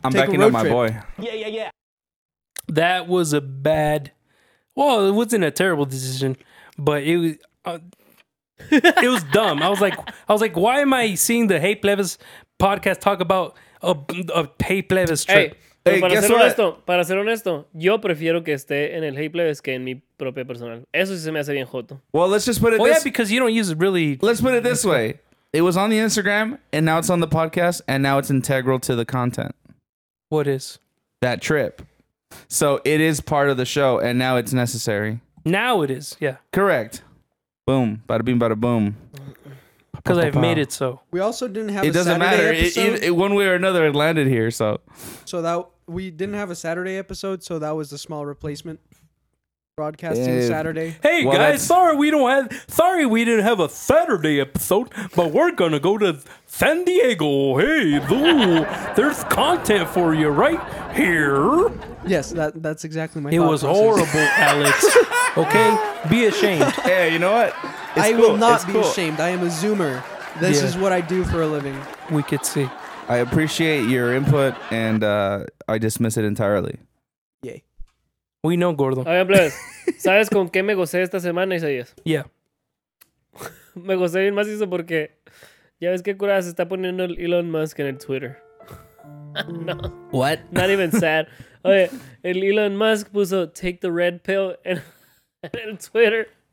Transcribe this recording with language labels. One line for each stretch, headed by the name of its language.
English: I'm backing up my boy. Yeah. That was a bad... Well, it wasn't a terrible decision, but it was... it was dumb. I was like, why am I seeing the Hey Plebes podcast talk about a Hey Plebes trip?
Spanish: Hey, para ser honesto, yo prefiero que esté en el Hey Plebes que en mi propio personal. Eso sí se me hace bien joto.
English: Well, let's just put it Yeah, because you don't use it really... Let's put it this way. It was on the Instagram, and now it's on the podcast, and now it's integral to the content. What is? That trip. So it is part of the show, and now it's necessary. Now it is, yeah. Correct. Boom, bada bing, bada boom. Because I've made it so. We also didn't have it a Saturday matter. Episode. It doesn't matter. One way or another, it landed here, so. So that we didn't have a Saturday episode, so that was the small replacement. Broadcasting Saturday. Hey, well, guys, sorry we didn't have a Saturday episode, but we're going to go to San Diego. Hey, there's content for you right here. Yes, that's exactly my thought. It was horrible, Alex. Okay? Be ashamed. Hey, you know what? I will not be ashamed. I am a Zoomer. This is what I do for a living. We could see. I appreciate your input, and I dismiss it entirely. Yay. We know, Gordo.
Spanish: Oye, plebes, ¿sabes con qué me gocé esta semana, Isaías?
English: Yeah.
Spanish: Me gocé bien más eso porque ya ves qué curada se está poniendo el Elon Musk en el Twitter. No.
English: What? Not even sad.
Spanish: Oye, el Elon Musk puso
English: take the red pill
Spanish: en el Twitter.